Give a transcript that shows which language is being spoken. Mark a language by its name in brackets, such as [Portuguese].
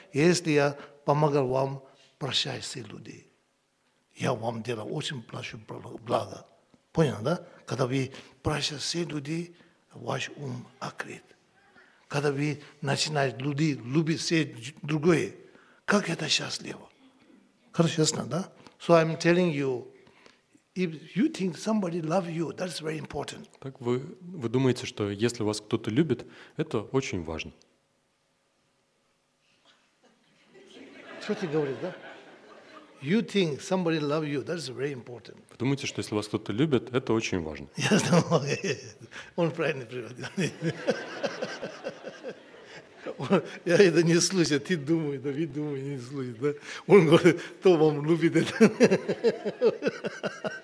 [Russian] Если я помогал вам, прощай все люди. Я вам делаю очень большое благо. Понял, да? Когда вы прощаете все люди, ваш ум открыт. Когда вы начинаете люди любить все другое, как это счастливо. Хорошо, ясно, да? [English] So I'm telling you, if you think somebody loves you, that's very important. [Russian] Так вы думаете, что если вас кто-то любит, это очень важно. Что ты говоришь, да? [English] You think somebody loves you, that's very important. [Russian] Вы думаете, что если вас кто-то любит, это очень важно. Я знаю, он правильно приводит. Я это не слышу, ты думай, да, вы думай, не слышу, да. Он говорит, кто вам любит это.